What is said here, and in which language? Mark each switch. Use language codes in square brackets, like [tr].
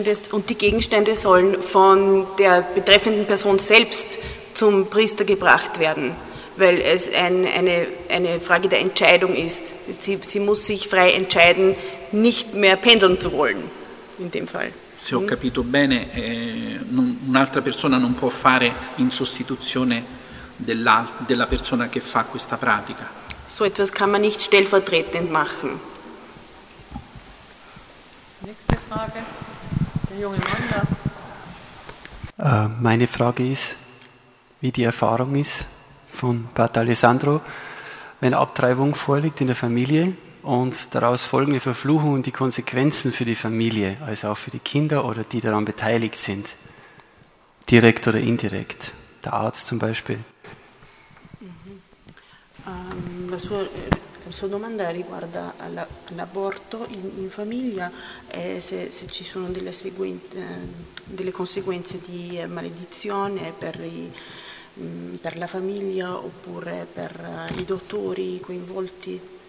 [de] Und die Gegenstände sollen von der betreffenden Person selbst zum Priester gebracht werden, weil es eine Frage der Entscheidung ist. Sie muss sich frei entscheiden, nicht mehr pendeln zu wollen, in dem Fall. [it] Se ho capito bene, un'altra persona non può fare in sostituzione della persona che fa questa pratica. [de] So etwas kann man nicht stellvertretend machen. Meine Frage ist, wie die Erfahrung ist von Pater Alessandro, wenn Abtreibung vorliegt in der Familie und daraus folgende Verfluchung und die Konsequenzen für die Familie, also auch für die Kinder oder die daran beteiligt sind, direkt oder indirekt, der Arzt zum Beispiel. [it] La sua domanda riguarda l'aborto in famiglia e se ci sono delle conseguenze di maledizione per la famiglia oppure per i dottori coinvolti.